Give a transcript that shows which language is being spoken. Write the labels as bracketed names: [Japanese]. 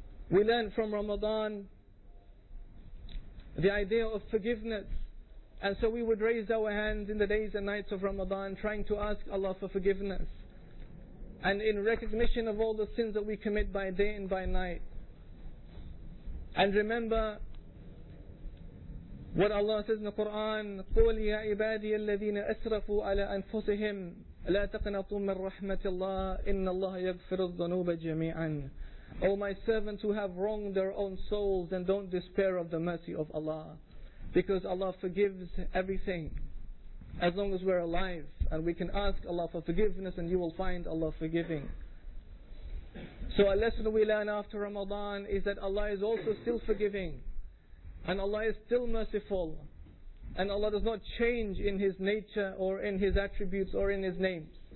[English] We learned from Ramadan the idea of forgiveness. And so we would raise our hands in the days and nights of Ramadan, trying to ask Allah for forgiveness. And in recognition of all the sins that we commit by day and by night. And remember what Allah says in the Quran, [Arabic] قُلْ يَا عِبَادِيَ الَّذِينَ أَسْرَفُوا عَلَىٰ أَنفُسِهِمْ لَا تَقْنَطُوا مِنْ رَحْمَةِ اللَّهِ إِنَّ اللَّهَ يَغْفِرُ الذُّنُوبَ جَمِيعًا. [English] O my servants who have wronged their own souls, then don't despair of the mercy of Allah. Because Allah forgives everything as long as we're alive, and we can ask Allah for forgiveness and you will find Allah forgiving. So a lesson we learn after Ramadan is that Allah is also still forgiving, and Allah is still merciful, and Allah does not change in His nature or in His attributes or in His name.